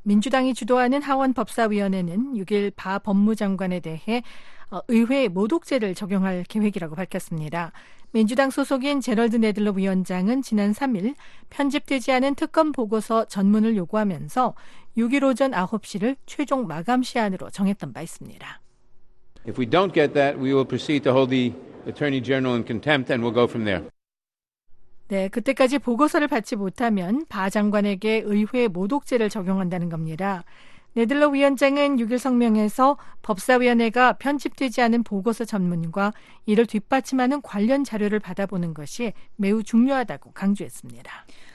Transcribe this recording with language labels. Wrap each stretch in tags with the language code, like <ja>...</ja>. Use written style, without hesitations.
<ko>민주당이 주도하는 하원 법사위원회는 6일 바 법무장관에 대해 의회에 모독죄를 적용할 계획이라고 밝혔습니다. 민주당 소속인 제럴드 네들러 위원장은 지난 3일 편집되지 않은 특검 보고서 전문을 요구하면서 6일 오전 9시를 최종 마감 시한으로 정했던 바 있습니다.</ko> <en>If we don't get that, we will proceed to hold the Attorney General in contempt, and we'll go from there.</en> <ko>네, 그때까지 보고서를 받지 못하면 바 장관에게 의회 모독죄를 적용한다는 겁니다. 네들러 위원장은 6일 성명에서 법사위원회가 편집되지 않은 보고서 전문과 이를 뒷받침하는 관련 자료를 받아보는 것이 매우 중요하다고 강조했습니다.</ko>